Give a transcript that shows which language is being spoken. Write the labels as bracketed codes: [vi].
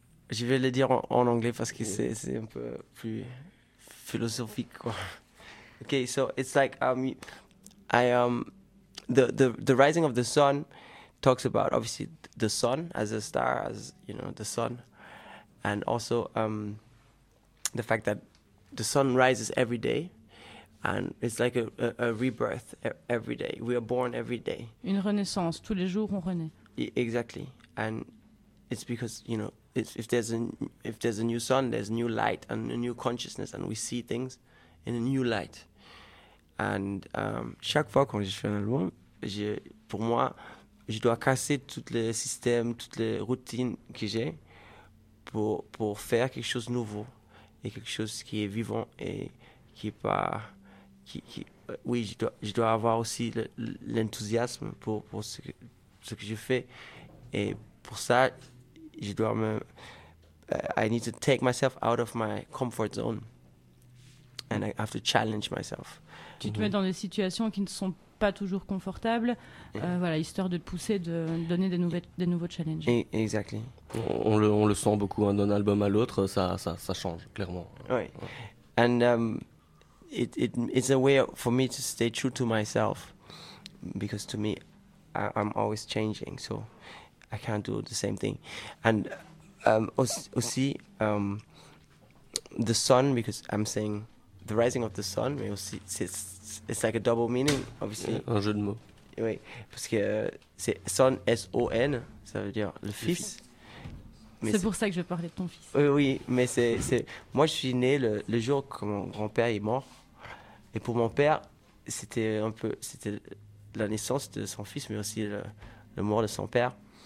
[fr] Je vais le dire en anglais parce que c'est un peu plus philosophique, quoi. [en] Okay, so it's like the rising of the sun talks about obviously the sun as a star, as you know, the sun, and also the fact that the sun rises every day, and it's like a rebirth every day. We are born every day. [fr] Une renaissance tous les jours, on renaît. [en] Exactly, and it's because you know. If there's a new sun, there's new light and a new consciousness, and we see things in a new light. [fr] And chaque fois quand je fais un album, pour moi, je dois casser tous les systèmes, toutes les routines que j'ai pour faire quelque chose de nouveau et quelque chose qui est vivant et qui est pas qui oui, je dois avoir aussi l'enthousiasme pour ce que je fais, et pour ça je dois me... [en] I need to take myself out of my comfort zone. And I have to challenge myself. [fr] Tu te mets dans des situations qui ne sont pas toujours confortables. Voilà, histoire de te pousser, de donner des nouveaux challenges. [en] Exactly. [fr] On le sent beaucoup, hein, d'un album à l'autre, ça change, clairement. Oui. Ouais. [en] And it's a way for me to stay true to myself. Because to me, I'm always changing, so... I can't do the same thing. And aussi, the sun, because I'm saying the rising of the sun, [fr] mais aussi, [en] it's like a double meaning, obviously. [fr] Un jeu de mots. Oui, parce que c'est son, S-O-N, ça veut dire le fils. C'est pour ça que je parlais de ton fils. Oui, mais c'est moi, je suis né le jour que mon grand-père est mort. Et pour mon père, c'était la naissance de son fils, mais aussi le mort de son père.